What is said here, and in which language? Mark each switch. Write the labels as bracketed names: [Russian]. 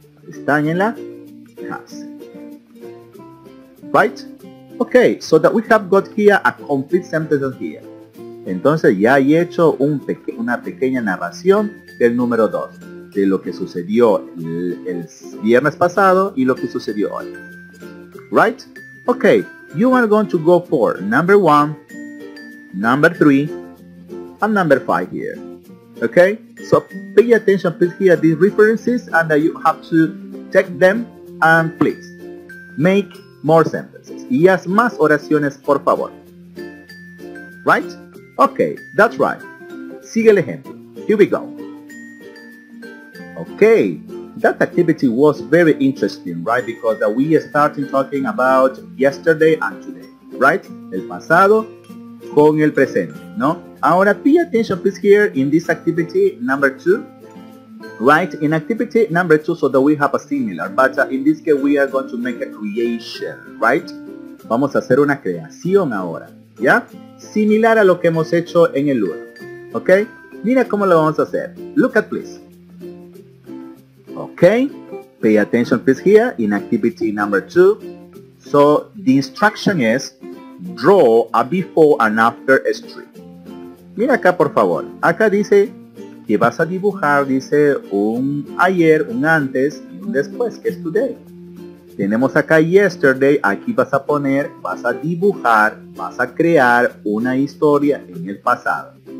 [Spanish] Están en la cárcel. Right? [English] Okay, so that we have got here a complete sentence here. [Spanish] Entonces ya he hecho una pequeña narración del número 2, de lo que sucedió el viernes pasado y lo que sucedió hoy. [English] Right? Okay, you are going to go for number 1, number 3, and number 5 here. Okay? So pay attention, please, here these references, and you have to check them, and please, make more sentences. [Spanish] Y haz más oraciones, por favor. Right? [English] Okay, that's right. [Spanish] Sigue el ejemplo. [English] Here we go. Okay, that activity was very interesting, right? Because we are starting talking about yesterday and today, right? [Spanish] El pasado con el presente, ¿no? Ahora, [English] pay attention, please, here in this activity number 2, right? In activity number 2, so that we have a similar, but in this case, we are going to make a creation, right? [Spanish] Vamos a hacer una creación ahora, ¿ya? Similar a lo que hemos hecho en el lugar. ¿Ok? Mira cómo lo vamos a hacer. [English] Look at please. [Spanish] ¿Ok? [English] Pay attention please here in activity number 2. So, the instruction is draw a before and after a street. [Spanish] Mira acá por favor. Acá dice que vas a dibujar, dice un ayer, un antes y un después, que es today. Tenemos acá yesterday, aquí vas a poner, vas a dibujar, vas a crear una historia en el pasado.